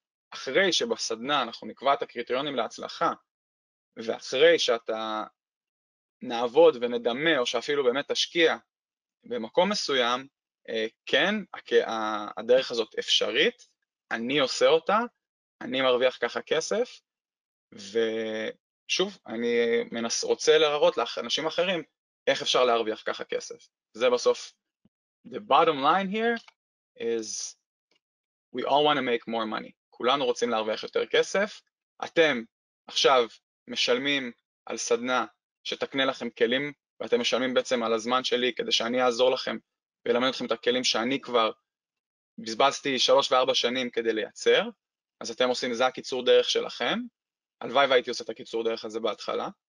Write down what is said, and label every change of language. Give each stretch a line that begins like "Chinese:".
Hebrew: אחרי שבסדנה אנחנו נקבע את הקריטריונים להצלחה, ואחרי שאתה נעבוד ונדמה, או שאפילו באמת תשקיע במקום מסוים, כן, הדרך הזאת אפשרית, אני עושה אותה, אני מרוויח ככה כסף, ושוב, אני רוצה להראות לאנשים אחרים, איך אפשר להרוויח ככה כסף. זה בסוף.
English: The bottom line here is, we all want to make more money.
Hebrew: כולנו רוצים להרוויח יותר כסף. אתם עכשיו משלמים על סדנה, שתקנה לכם כלים, ואתם משלמים בעצם על הזמן שלי, כדי שאני אעזור לכם, ולמד אתכם את הכלים שאני כבר בזבזתי 3-4 שנים כדי לייצר, אז אתם עושים, זה הקיצור דרך שלכם, הלוואי והייתי עושה את הקיצור דרך הזה בהתחלה,